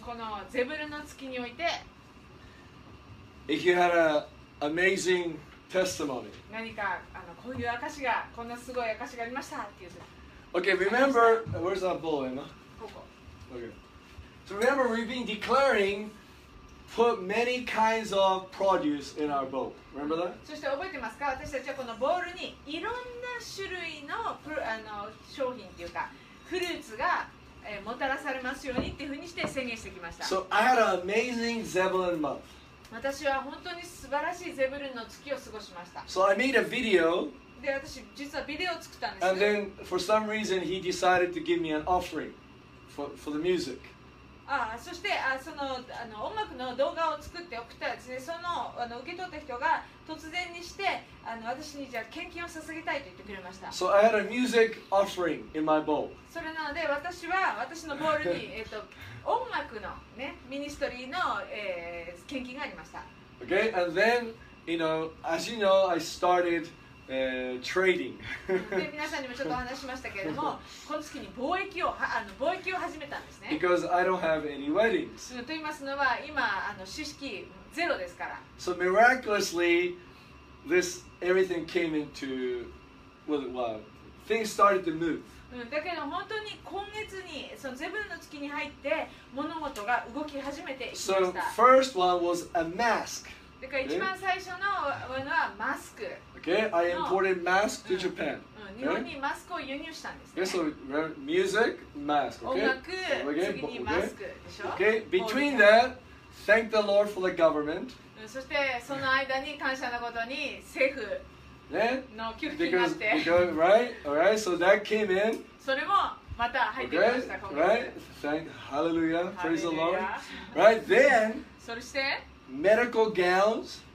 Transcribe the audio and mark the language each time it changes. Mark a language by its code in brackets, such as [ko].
[ja] このゼブルの月において、 [en] If you had an amazing testimony. [ja] 何かこういう証が、こんなすごい証がありましたっていう。 [en] Okay, remember, where's that bowl, Emma? Okay. So remember, we've been declaring, put many kinds of produce in our bowl. Remember that? [ja] そして覚えてますか？私たちはこのボールにいろんな種類の商品っていうか、フルーツがもたらされますようにっていうふうにして宣言してきました。 [en] So I had an amazing Zebulun month. [ja] 私は本当に素晴らしいゼブルンの月を過ごしました。 [en] So I made a video. [ja] で、私実はビデオを作ったんです。 [en] And then for some reason he decided to give me an offering for the music. [ja] そして音楽の動画を作って送ったですね。その受け取った人が突然にして私にじゃあ献金を捧げたいと言ってくれました。 [en] So I had a music offering in my bowl. [ja] それなので私は私のボールに音楽の、ね、ミニストリーの、献金がありました。 [en] Okay, and then, you know, as you know, I started trading. [ja] で、皆さんにもちょっと話しましたけれども、この月に貿易を始めたんですね。 [en] Because I don't have any weddings. [ja] と言いますのは、今、式式ゼロですから。 [en] So miraculously, this everything came into, well, things started to move. [ja] だけど本当に今月にそのゼブルの月に入って物事が動き始めていました。 [en] So first one was a mask. [ja] だから一番最初のものはマスク。 [en] Okay, I imported mask to Japan. [ja] 日本にマスクを輸入したんですね。 [en] So music, mask. Okay. [ja] 音楽、次にマスクでしょ。 [en] Okay, between that, thank the Lord for the government. [ja] そしてその間に感謝のことに政府。ね、の給付金があって [en] because, right? Alright, so that came in. [ja] それもまた入ってきました、今 [en] 回。Right? Thank Hallelujah. Praise the Lord. Right? Then, [ja] そして [en] medical gowns.